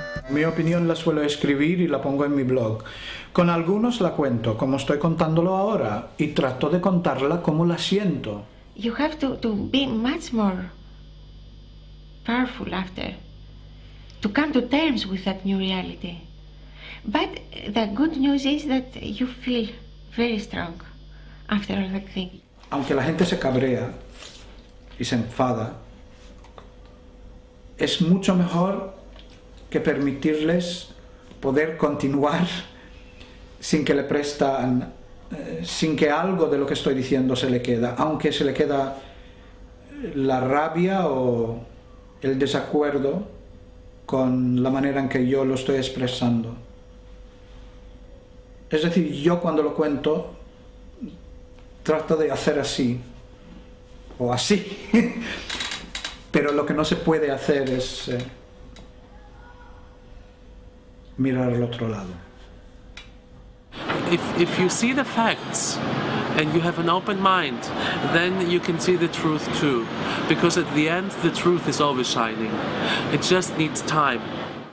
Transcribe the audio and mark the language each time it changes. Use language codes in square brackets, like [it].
[es] Mi opinión la suelo escribir y la pongo en mi blog. Con algunos la cuento, como estoy contándolo ahora, y trato de contarla como la siento. [en] You have to be much more powerful after, to come to terms with that new reality. But the good news is that you feel very strong after all that thing. [es] Aunque la gente se cabrea y se enfada, es mucho mejor que permitirles poder continuar sin que le prestan, sin que algo de lo que estoy diciendo se le queda, aunque se le queda la rabia o el desacuerdo con la manera en que yo lo estoy expresando. Es decir, yo cuando lo cuento trato de hacer así o así, pero lo que no se puede hacer es mirar al otro lado. [en] If you see the facts and you have an open mind, then you can see the truth too. Because at the end, the truth is always shining. It just needs time.